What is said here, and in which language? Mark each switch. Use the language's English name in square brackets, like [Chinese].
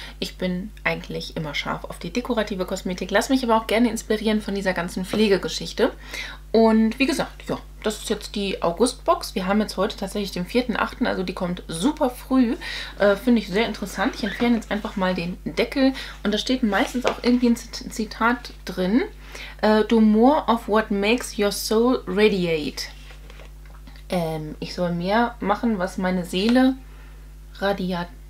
[German] Ich bin eigentlich immer scharf auf die dekorative Kosmetik. Lass mich aber auch gerne inspirieren von dieser ganzen Pflegegeschichte. Und wie gesagt, ja, das ist jetzt die August-Box. Wir haben jetzt heute tatsächlich den 4.8., also die kommt super früh. Finde ich sehr interessant. Ich entferne jetzt einfach mal den Deckel. Und da steht meistens auch irgendwie ein Zitat drin. [English] Do more of what makes your soul radiate. [German] Ich soll mehr machen, was meine Seele radiate?